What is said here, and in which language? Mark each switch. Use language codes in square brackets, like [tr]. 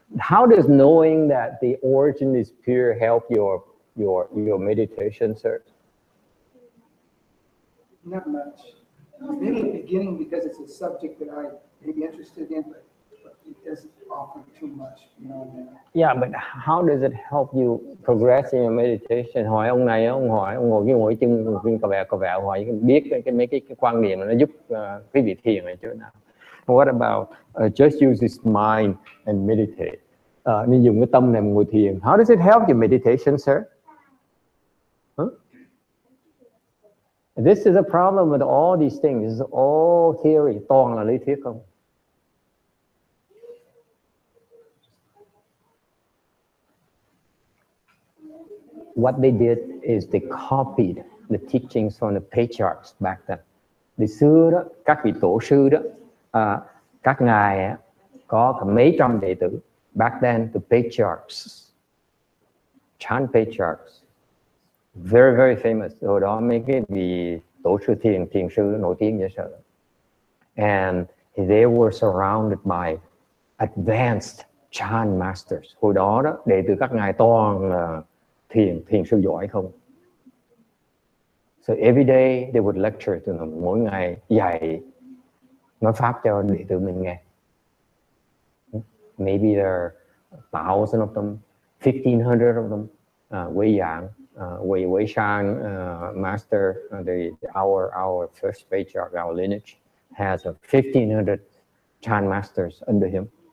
[en] How does knowing that the origin is pure help your meditation, sir? Not much. Maybe in the beginning because it's a subject that I may be interested in, but it doesn't offer too much, you know. Yeah, but how does it help you progress in your meditation? [vi] Hỏi ông này, ông ngồi cái mũi chân viên cà vẹo, hỏi biết cái mấy cái quan niệm nó giúp quý vị thiền ở chỗ nào? [en] What about just use his mind and meditate? [vi] Nên dùng cái tâm này mà ngồi thiền. [en] How does it help your meditation, sir? This is a problem with all these things. This is all theory. [vi] Toàn là lý thuyết không? [en] What they did is they copied the teachings from the patriarchs back then. [vi] Thì xưa đó, các vị tổ sư đó, các ngài có cả mấy trăm đệ tử. [en] Back then, the patriarchs, Chan patriarchs, very, very famous. [vi] Hồi đó mấy cái vị tổ sư thiền, thiền sư nổi tiếng dễ sợ. [en] And they were surrounded by advanced Chan masters. [vi] Hồi đó, đó đệ tử các ngài toàn là thiền, thiền sư giỏi không. [en] So every day they would lecture to them. [vi] Mỗi ngày dạy, nói pháp cho đệ tử mình nghe. [en] Maybe there are 1,000 of them, 1,500 of them, Wei Yang. Wei Shang, master, our first patriarch, our lineage, has 1,500 Chan masters under him.